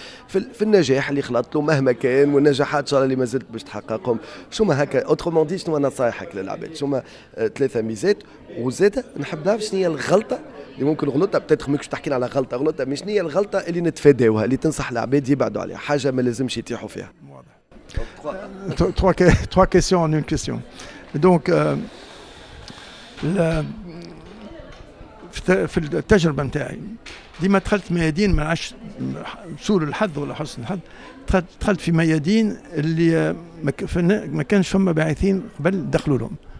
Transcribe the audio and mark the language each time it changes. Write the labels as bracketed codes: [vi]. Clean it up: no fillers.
[ar] في النجاح اللي خلط له مهما كان، والنجاحات ان شاء الله اللي ما زلت باش تحققهم، شنو هما هكا اوترومون دي شنو نصائحك للعباد، شنو هما ثلاثه ميزات؟ وزاد نحب نعرف شنو هي الغلطه اللي ممكن غلطة، بتدخل ميكش تحكينا على غلطة غلطة، مش نية الغلطة اللي نتفاداوها اللي تنصح العباد يبعدوا عليها، حاجة ما لازمش يتيحوا فيها. واضح. [fr] trois questions en une question. [ar] Donc في التجربة متاعي ديما دخلت ميادين ما عادش سول الحظ ولا حسن الحظ، دخلت في ميادين اللي ما كانش فما باعثين قبل دخلوا لهم.